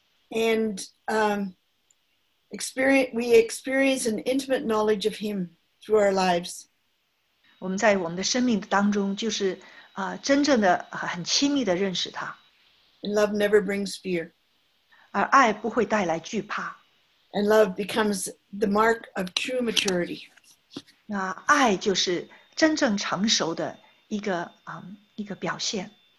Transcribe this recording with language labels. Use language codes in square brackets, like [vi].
[en] And we experience an intimate knowledge of Him through our lives. [zh] 我们在我们的生命当中就是 真正的很亲密的认识他。 [en] And love never brings fear. [zh] 而爱不会带来惧怕。 [en] And love becomes the mark of true maturity. [zh] 那爱就是真正成熟的一个表现。